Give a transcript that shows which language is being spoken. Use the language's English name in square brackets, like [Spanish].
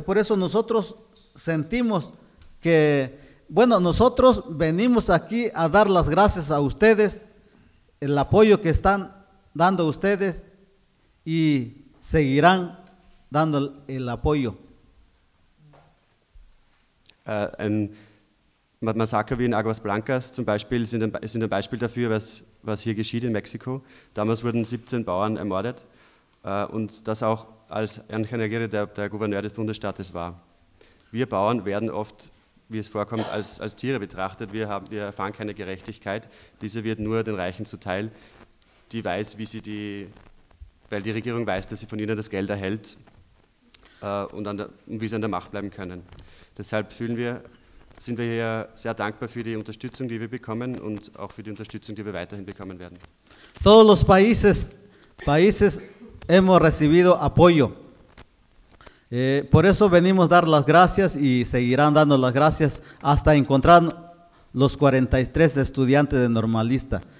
[Spanish] Por eso nosotros sentimos que, bueno, nosotros venimos aquí a dar las gracias a ustedes, el apoyo que están dando ustedes y seguirán dando el apoyo. [German] Ein Massaker wie in Aguas Blancas zum Beispiel ist ein Beispiel dafür, was hier geschieht in Mexiko. Damals wurden 17 Bauern ermordet und das auch als Ángel Aguirre der Gouverneur des Bundesstaates war. Wir Bauern werden oft, wie es vorkommt, als Tiere betrachtet. Wir erfahren keine Gerechtigkeit. Diese wird nur den Reichen zuteil, die weiß, wie sie die, weil die Regierung weiß, dass sie von ihnen das Geld erhält und wie sie an der Macht bleiben können. Deshalb sind wir hier sehr dankbar für die Unterstützung, die wir bekommen und auch für die Unterstützung, die wir weiterhin bekommen werden. [Spanish] Todos los países hemos recibido apoyo. Por eso venimos dar las gracias y seguirán dando las gracias hasta encontrar los 43 estudiantes de normalista.